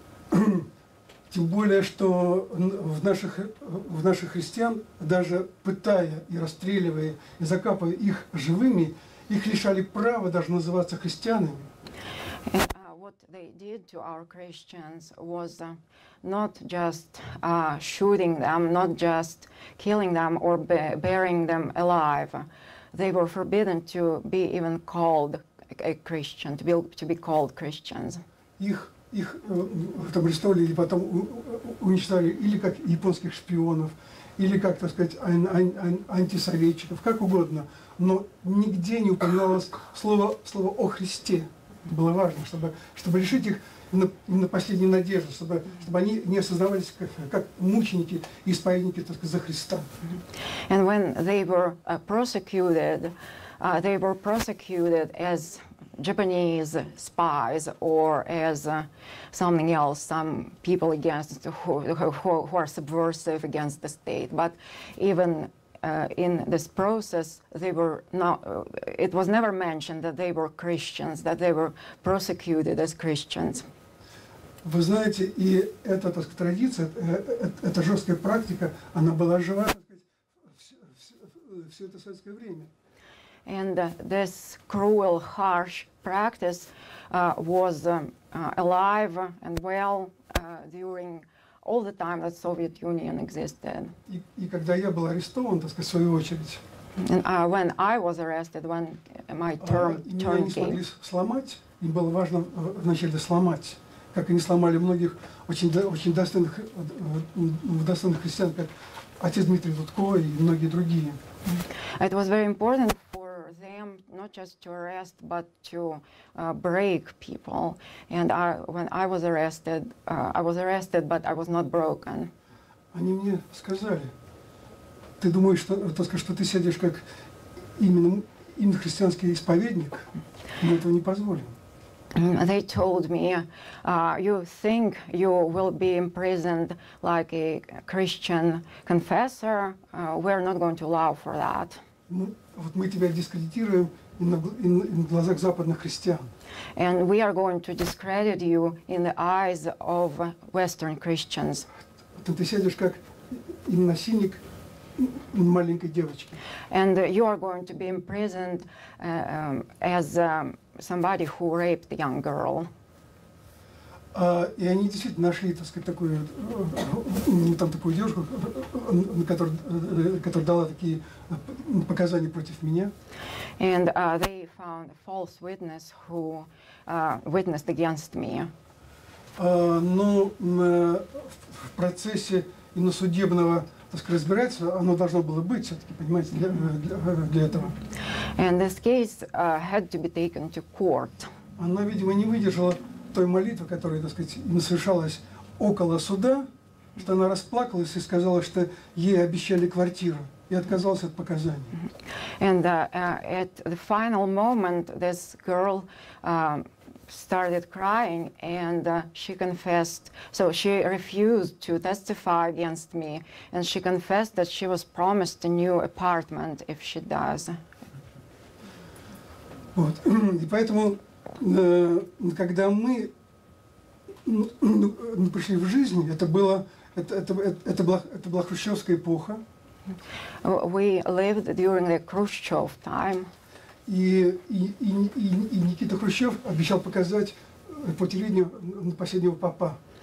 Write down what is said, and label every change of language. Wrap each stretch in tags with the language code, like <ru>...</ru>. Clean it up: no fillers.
<ru>Тем более, что в наших христиан, даже пытая и расстреливая, и закапывая их живыми, их лишали права даже называться христианами.</ru> <en>What they did to our Christians was not just shooting them, not just killing them or burying them alive. They were forbidden to be even called a Christian, to be called Christians.</en> <ru>Их там арестовали или потом уничтожали или как японских шпионов, или как, так сказать, антисоветчиков, как угодно. Но нигде не упоминалось слово о Христе. Было важно, чтобы лишить их на последнюю надежду, чтобы они не осознавались как мученики и исповедники, так сказать, за Христа.</ru> <en>And when they were prosecuted, they were prosecuted as Japanese spies or as something else, some people against who are subversive against the state. But even in this process, they were not. It was never mentioned that they were Christians, that they were prosecuted as Christians.</en> <ru>Вы знаете, и эта, так сказать, традиция, эта жесткая практика, она была жива, так сказать, все это советское время.</ru> <en>And this cruel, harsh practice was alive and well during all the time that Soviet Union existed.</en> <ru>И когда я был арестован, так сказать, в свою очередь.</ru> <en>And when I was arrested, when my term came.</en> <ru>Меня не смогли сломать. Им было важно вначале сломать. Как они сломали многих очень достойных христиан, как отец Дмитрий Лутко и многие другие.</ru> <en>It was very important for them not just to arrest, but to break people. And when I was arrested, but I was not broken.</en> <ru>Они мне сказали: "Ты думаешь, что ты сядешь как именно христианский исповедник? Мы этого не позволим."</ru> <en>They told me, you think you will be imprisoned like a Christian confessor? We're not going to allow for that.</en> <ru>Вот мы тебя дискредитируем в глазах западных христиан.</ru> <en>And we are going to discredit you in the eyes of Western Christians.</en> <ru>Ты сядешь как насильник маленькой девочки.</ru> <en>And you are going to be imprisoned as somebody who raped the young girl.</en> <ru>И они действительно нашли, так сказать, такую там такую девушку, которая дала такие показания против меня.</ru> <en>And they found a false witness who witnessed against me.</en> <ru>В процессе иносудебного, так сказать, разбирательства оно должно было быть, все-таки, понимаете, для этого.</ru> <en>And this case had to be taken to court.</en> <ru>Она, видимо, не выдержала той молитвы, которая, так сказать, совершалась около суда, что она расплакалась и сказала, что ей обещали квартиру, и отказалась от показаний.</ru> <en>And at the final moment, this girl started crying, and she confessed. So she refused to testify against me, and she confessed that she was promised a new apartment if she does.</en> <ru>Вот. И поэтому, когда мы пришли в жизнь, это была хрущевская эпоха.</ru> <en>We lived during the Khrushchev time.</en> <ru>И Никита Хрущев обещал показать по телевидению последнего папа.</ru>